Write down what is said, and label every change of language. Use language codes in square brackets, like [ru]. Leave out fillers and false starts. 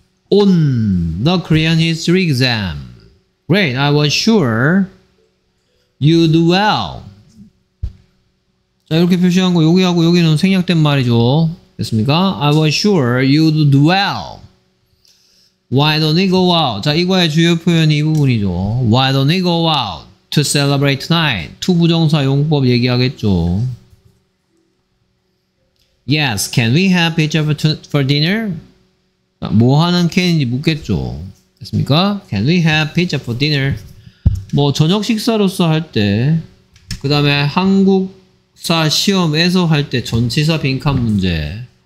[en] On the Korean history exam. Great, I was sure you'd do well. [ko] 자, 이렇게 표시한 거 여기하고 여기는 생략된 말이죠. 됐습니까? [en] I was sure you'd do well. Why don't you go out? [ko] 자, 이거의 주요 표현이 이 부분이죠. [en] Why don't you go out to celebrate tonight? [ko] 투 부정사 용법 얘기하겠죠. [en] Yes, can we have pizza for dinner? [ko] 뭐 하는 캔인지 묻겠죠. 됐습니까? [en] Can we have pizza for dinner? [ko] 뭐 저녁 식사로서 할 때, 그 다음에 한국사 시험에서 할 때 전치사 빈칸 문제.